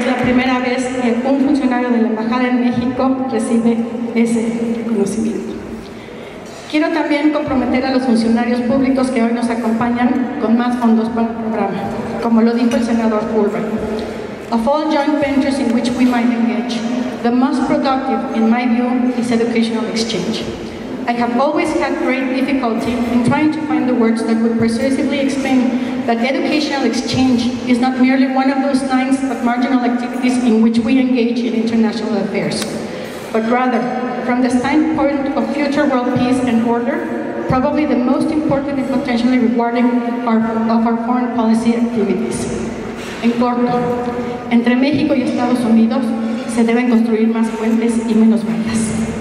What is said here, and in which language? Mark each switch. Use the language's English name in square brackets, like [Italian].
[Spanish] Un funcionario de la Embajada en México recibe ese reconocimiento. Quiero también comprometer a los funcionarios públicos que hoy nos acompañan con más fondos para el programa, como lo dijo el senador Fulbright. [English] Of all joint ventures in which we might engage, the most productive, in my view, is educational exchange. I have always had great difficulty in trying to find the words that would persuasively explain that educational exchange is not merely one of those kinds of marginal activities in which we engage in international affairs, but rather, from the standpoint of future world peace and order, probably the most important and potentially rewarding of our foreign policy activities. [Spanish] En corto, entre México y Estados Unidos se deben construir más puentes y menos barreras.